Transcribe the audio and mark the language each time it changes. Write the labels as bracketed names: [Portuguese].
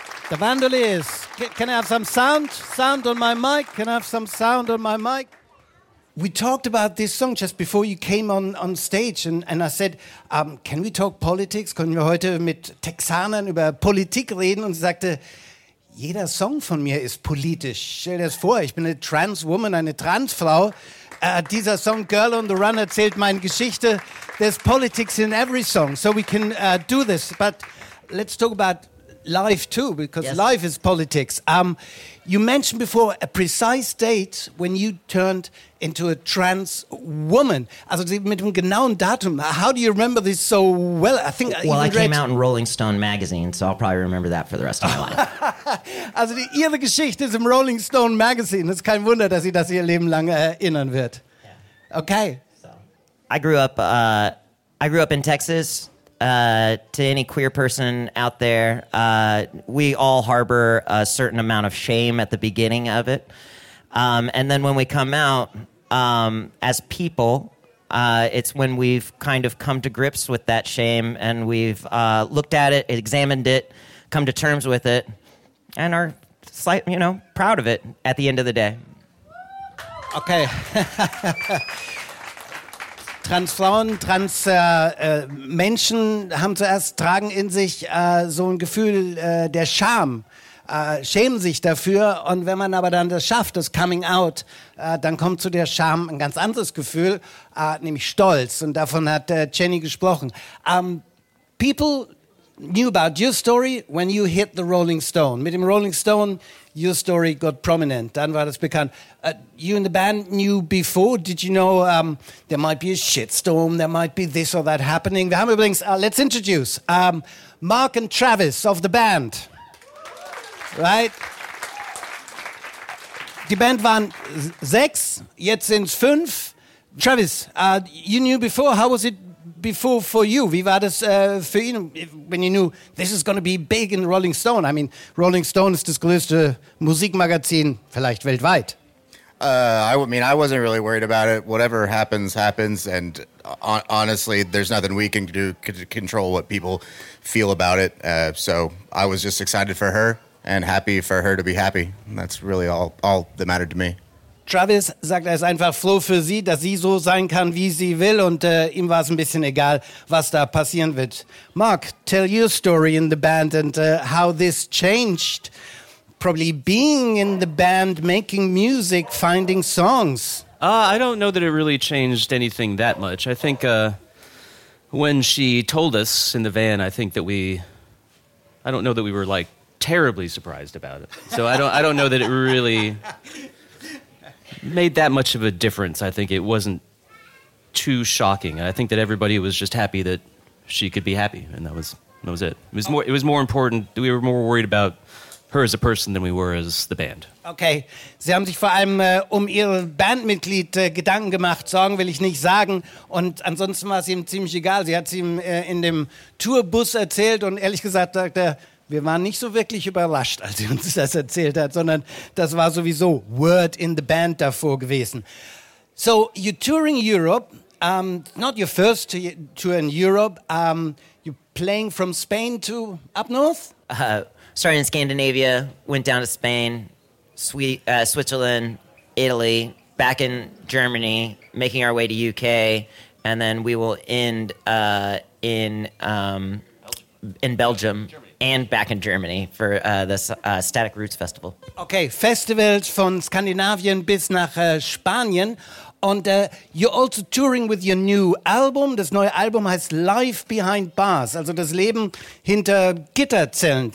[English] The Vandaliers. Can I have some sound? Sound on my mic? Can I have some sound on my mic? We talked about this song just before you came on stage, and I said, can we talk politics? [German] Können wir heute mit Texanern über Politik reden? Und sie sagte, jeder Song von mir ist politisch. Stell dir das vor, ich bin eine Trans-Woman, eine Trans-Frau. Dieser Song Girl on the Run erzählt meine Geschichte. [English] There's politics in every song, so we can do this. But let's talk about life too, because yes, life is politics. You mentioned before a precise date when you turned into a trans woman. [German] Also mit dem genauen Datum. [English] How do you remember this so well? I think I came out in Rolling Stone magazine, so I'll probably remember that for the rest of my life. [German] Also die ihre Geschichte ist im Rolling Stone magazine. Es ist kein Wunder, dass sie das ihr Leben lang erinnern wird. [English] Yeah. Okay. So. I grew up in Texas. To any queer person out there, we all harbor a certain amount of shame at the beginning of it. And then when we come out as people, it's when we've kind of come to grips with that shame and we've looked at it, examined it, come to terms with it, and are slight, you know, proud of it at the end of the day. Okay. [German] Transfrauen, Menschen haben zuerst, tragen in sich so ein Gefühl der Scham, schämen sich dafür. Und wenn man aber dann das schafft, das Coming Out, dann kommt zu der Scham ein ganz anderes Gefühl, nämlich Stolz. Und davon hat Jenny gesprochen. [English] People knew about your story when you hit the Rolling Stone. [German] Mit dem Rolling Stone, [English] your story got prominent. [German] Dann war das bekannt. [English] You and the band knew before. Did you know there might be a shitstorm? There might be this or that happening. [German] Wir haben übrigens, [English] let's introduce Mark and Travis of the band. Right? [German] Die Band waren 6, jetzt sind's 5. [English] Travis, you knew before. How was it before for you? [German] Wie war das für ihn, [English] when you knew this is going to be big in Rolling Stone? I mean, [German] Rolling Stone ist das größte Musikmagazin vielleicht weltweit. [English] I wasn't really worried about it. Whatever happens, happens. And honestly, there's nothing we can do to control what people feel about it. So I was just excited for her and happy for her to be happy. And that's really all that mattered to me. Travis sagt, er ist einfach froh für sie, dass sie so sein kann, wie sie will, und ihm war es ein bisschen egal, was da passieren wird. Mark, tell your story in the band and how this changed, probably being in the band, making music, finding songs. I don't know that it really changed anything that much. I think when she told us in the van, I don't know that we were like terribly surprised about it. So I don't know that it really made that much of a difference. I think it wasn't too shocking. I think that everybody was just happy that she could be happy, and that was it. It was more important. We were more worried about her as a person than we were as the band. [German] Okay, sie haben sich vor allem um ihr Bandmitglied Gedanken gemacht. Sorgen will ich nicht sagen. Und ansonsten war es ihm ziemlich egal. Sie hat es ihm in dem Tourbus erzählt und ehrlich gesagt sagt er, wir waren nicht so wirklich überrascht, als sie uns das erzählt hat, sondern das war sowieso [English] word in the band [German] davor gewesen. [English] So, you're touring Europe, not your first tour in Europe. You're playing from Spain to up north? Started in Scandinavia, went down to Spain, Switzerland, Italy, back in Germany, making our way to UK, and then we will end in Belgium. Germany. and back in Germany for this Static Roots Festival. [German] Okay, [English] festivals from Scandinavian [German] bis nach Spanien. [English] And you're also touring with your new album. [German] Das neue Album heißt Life Behind Bars, also das Leben hinter Gitterzellen.